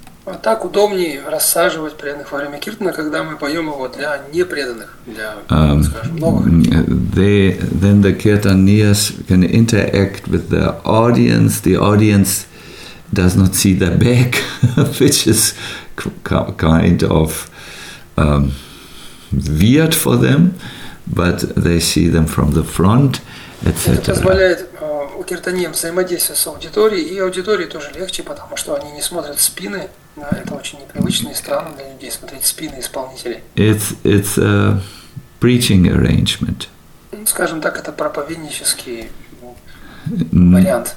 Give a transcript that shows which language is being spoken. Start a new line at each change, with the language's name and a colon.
Russian: А так удобнее рассаживать преданных во время киртана, когда мы поем его для непреданных, для, скажем, новых.
English: Then the kirtaniyas can interact with the audience. The audience does not see the back, which is kind of weird for them, but they see them from the front, etc.
Russian: Это позволяет киртаниям взаимодействовать с аудиторией, и аудитории тоже легче, потому что они не смотрят в спины. Это очень непривычно и странно для людей смотреть спины исполнителей.
English: It's a preaching arrangement.
Russian: Скажем так, это проповеднический вариант.